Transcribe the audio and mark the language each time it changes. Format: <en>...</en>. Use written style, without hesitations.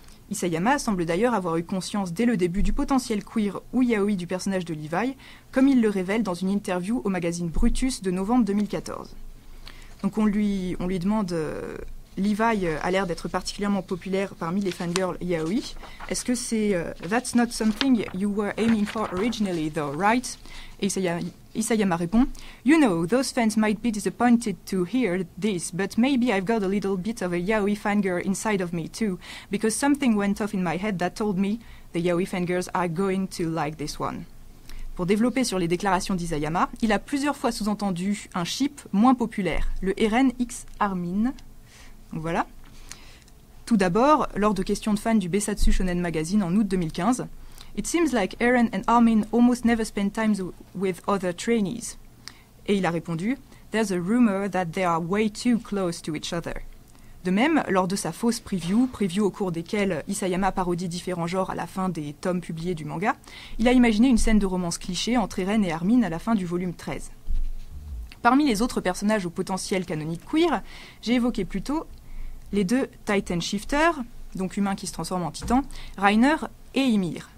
<fr>Isayama semble d'ailleurs avoir eu conscience dès le début du potentiel queer ou yaoi du personnage de Levi, comme il le révèle dans une interview au magazine Brutus de novembre 2014. Donc on lui demande, Levi a l'air d'être particulièrement populaire parmi les fangirls yaoi. Est-ce que c'est</fr> <en>« That's not something you were aiming for originally though, right ?» Et Isayama répond, « You know, those fans might be disappointed to hear this, but maybe I've got a little bit of a yaoi fangirl inside of me too, because something went off in my head that told me the yaoi fangirls are going to like this one. »</en> <fr>Pour développer sur les déclarations d'Isayama, il a plusieurs fois sous-entendu un ship moins populaire, le Eren X Armin. Voilà. Tout d'abord, lors de questions de fans du Besatsu Shonen Magazine en août 2015,</fr> <en>It seems like Eren and Armin almost never spend time with other trainees.</en> <fr>Et il a répondu,</fr> <en>There's a rumor that they are way too close to each other.</en> <fr>De même, lors de sa fausse preview au cours desquelles Isayama parodie différents genres à la fin des tomes publiés du manga, il a imaginé une scène de romance cliché entre Eren et Armin à la fin du volume 13. Parmi les autres personnages au potentiel canonique queer, j'ai évoqué plus tôt les deux Titan Shifter, donc humain qui se transforme en titan, Reiner et Ymir.</fr>